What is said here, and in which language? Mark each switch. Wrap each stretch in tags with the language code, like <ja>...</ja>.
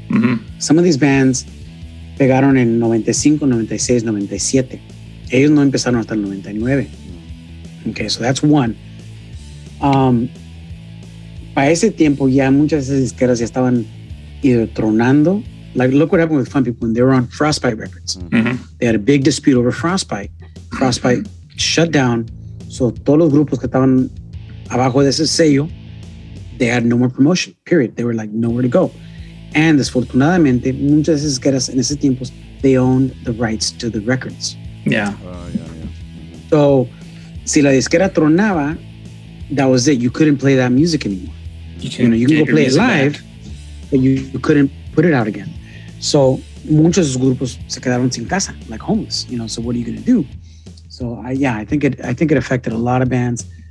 <en>Mm-hmm. Some of these bands</en> <es>pegaron en</es> <en>95, 96, 97.</en> <es>Ellos no empezaron hasta el 99.</es> <en>Okay, so that's one.</en> <es>Para ese tiempo ya muchas de esas disqueras ya estaban either tronando.</es> <en>Like, look what happened with Fun People when they were on Frostbite Records. Mm-hmm. They had a big dispute over Frostbite. Frostbite shut down. So</en> <es>todos los grupos que estaban abajo de ese sello,</es> <en>they had no more promotion, period. They were like nowhere to go. And</en> <es>desafortunadamente, muchas de esas disqueras en ese tiempo,</es> <en>they owned the rights to the records. Yeah. So,</en> <es>si la disquera tronaba,</es> <en>that was it. You couldn't play that music anymore. You can go play it live, but you couldn't put it out again.</en> <es>So, muchos de los grupos se quedaron sin casa,</es> <en>like homeless. You know, so what are you going to do? So, I think it affected a lot of bands.</en>